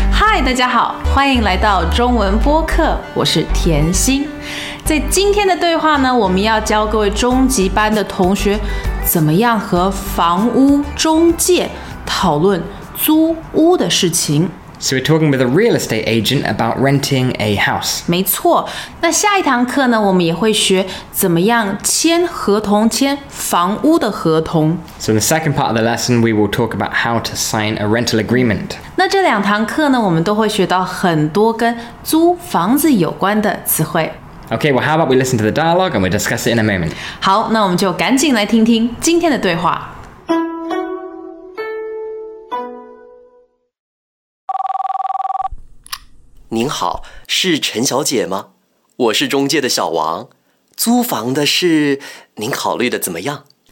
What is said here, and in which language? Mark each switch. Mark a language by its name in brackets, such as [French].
[Chinese] Hi, 大家好，欢迎来到中文播客。我是甜心。在今天的对话呢，我们要教各位中级班的同学怎么样和房屋中介讨论租屋的事情。 [English] So we're talking with a real estate agent about renting a house. [Chinese] 没错，那下一堂课呢，我们也会学怎么样签合同，签房屋的合同。 [English] So in the second part of the lesson, we will talk about how to sign a rental agreement. [Chinese] 那这两堂课呢，我们都会学到很多跟租房子有关的词汇。 [English] Okay, well, how about we listen to the dialogue and we discuss it in a moment. [Chinese] 好，那我们就赶紧来听听今天的对话。您好，是陈小姐吗？我是中介的小王，租房的事您考虑的怎么样？